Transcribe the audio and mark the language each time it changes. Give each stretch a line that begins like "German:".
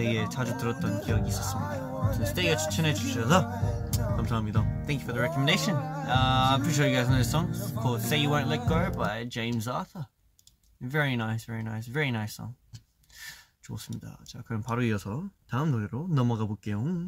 Korean: 자주 들었던 기억이 있었습니다. 스테이가 추천해 주셔서 감사합니다.
English: Thank you for the recommendation. I'm pretty sure you guys know this song. It's called Say You Won't Let Go by James Arthur. Very nice, very nice, very nice song.
Korean: 좋습니다. 자, 그럼 바로 이어서 다음 노래로 넘어가 볼게요.